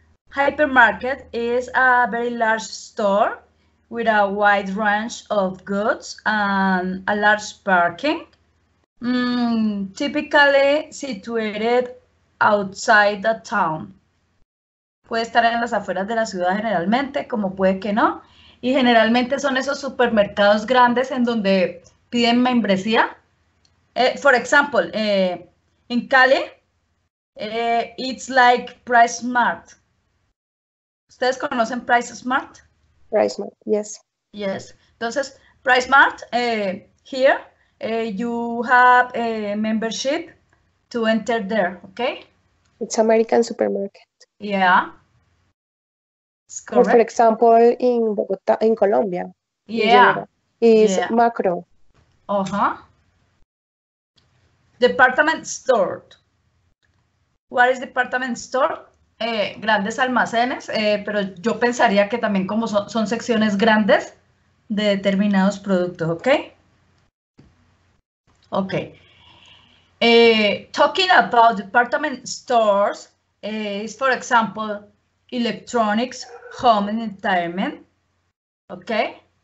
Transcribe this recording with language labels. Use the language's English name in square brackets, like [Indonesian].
[English] Hypermarket is a very large store with a wide range of goods and a large parking, typically situated outside the town. [Spanish] Puede estar en las afueras de la ciudad generalmente, como puede que no. Y generalmente son esos supermercados grandes en donde piden membresía. [English] For example, in Cali, it's like Price Mart. [Spanish] ¿Ustedes conocen Price Mart? [English] Price Mart, yes. Yes. Entonces, Price Mart, here, you have a membership to enter there, okay? It's American supermarket. Yeah. Correct. For example, in Bogotá, in Colombia, yeah, in is yeah. Macro. Department store. What is department store? [Spanish] Grandes almacenes, pero yo pensaría que también como son secciones grandes de determinados productos, ¿ok? [English] Ok. Talking about department stores, is for example, electronics, home and entertainment, okay?